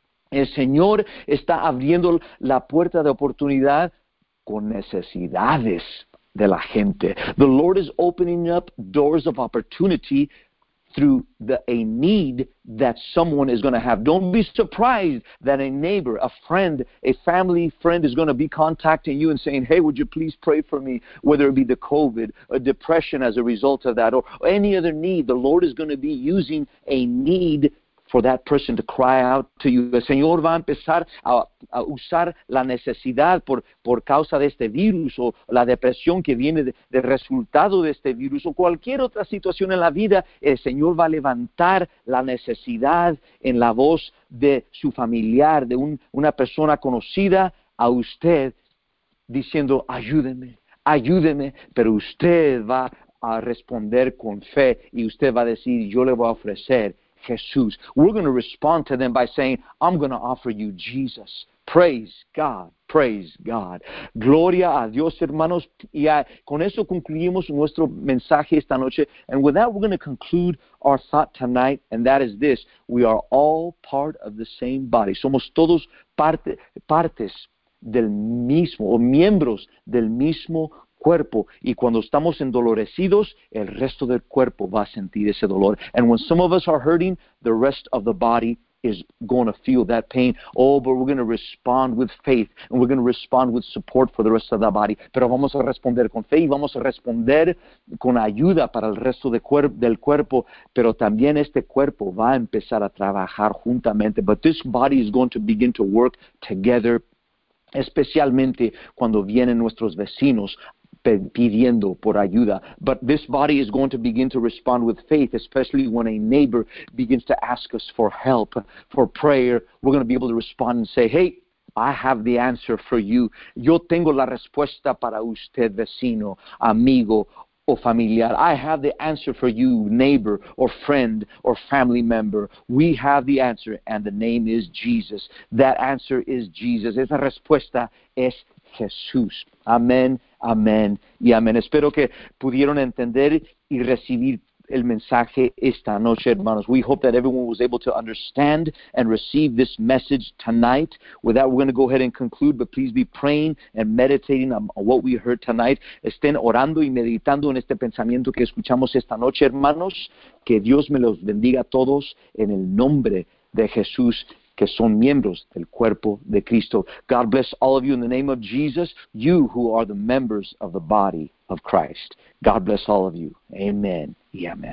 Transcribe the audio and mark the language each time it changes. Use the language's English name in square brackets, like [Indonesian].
[Spanish] El Señor está abriendo la puerta de oportunidad con necesidades de la gente. [English] The Lord is opening up doors of opportunity through a need that someone is going to have. Don't be surprised that a neighbor, a friend, a family friend is going to be contacting you and saying, hey, would you please pray for me, whether it be the COVID, a depression as a result of that, or any other need. The Lord is going to be using a need for that person to cry out to you. [Spanish] El Señor va a empezar a usar la necesidad por causa de este virus o la depresión que viene de resultado de este virus o cualquier otra situación en la vida. El Señor va a levantar la necesidad en la voz de su familiar, de una persona conocida a usted, diciendo, ayúdeme, ayúdeme, pero usted va a responder con fe y usted va a decir, yo le voy a ofrecer Jesús. [English] We're going to respond to them by saying, I'm going to offer you Jesus. Praise God. Praise God. [Spanish] Gloria a Dios, hermanos. Y con eso concluimos nuestro mensaje esta noche. [English] And with that, we're going to conclude our thought tonight. And that is this. We are all part of the same body. [Spanish] Somos todos partes del mismo, o miembros del mismo cuerpo. Y cuando estamos endolorecidos, el resto del cuerpo va a sentir ese dolor. [English] And when some of us are hurting, the rest of the body is going to feel that pain. Oh, but we're going to respond with faith, and we're going to respond with support for the rest of the body. [Spanish] Pero vamos a responder con fe y vamos a responder con ayuda para el resto del cuerpo. Pero también este cuerpo va a empezar a trabajar juntamente. [English] But this body is going to begin to work together, [Spanish] especialmente cuando vienen nuestros vecinos pidiendo por ayuda. [English] But this body is going to begin to respond with faith, especially when a neighbor begins to ask us for help, for prayer. We're going to be able to respond and say, hey, I have the answer for you. [Spanish] Yo tengo la respuesta para usted, vecino, amigo, o familiar. [English] I have the answer for you, neighbor, or friend, or family member. We have the answer, and the name is Jesus. That answer is Jesus. [Spanish] Esa respuesta es Jesús. Amén, amén, y amén. Espero que pudieron entender y recibir el mensaje esta noche, hermanos. [English] We hope that everyone was able to understand and receive this message tonight. With that, we're going to go ahead and conclude, but please be praying and meditating on what we heard tonight. [Spanish] Estén orando y meditando en este pensamiento que escuchamos esta noche, hermanos. Que Dios me los bendiga a todos en el nombre de Jesús, que son miembros del cuerpo de Cristo. [English] God bless all of you in the name of Jesus, you who are the members of the body of Christ. God bless all of you. Amen. Yeah, man.